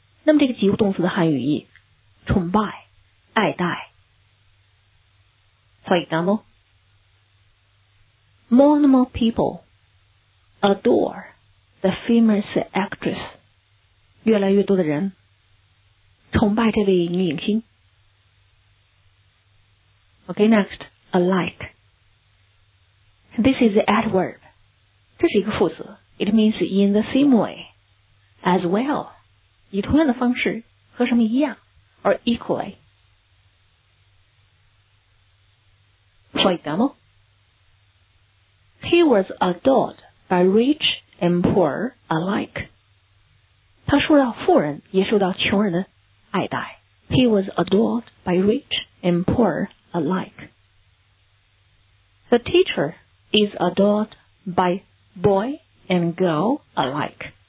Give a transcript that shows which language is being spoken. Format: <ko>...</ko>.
<zh>那么这个及物动词的汉语义，崇拜、爱戴。</zh> <en>For example, more and more people adore the famous actress.</en> <zh>越来越多的人崇拜这位女影星。</zh> <en>Okay, next, alike. This is the adverb.</en> <zh>这是一个副词。</zh> <en>It means in the same way, as well.</en> <zh>以同样的方式和什么一样</zh> <en>or equally. For example, he was adored by rich and poor alike.</en> <zh>他受到富人也受到穷人的爱戴。</zh> <en>He was adored by rich and poor alike. The teacher is adored by boy and girl alike.</en>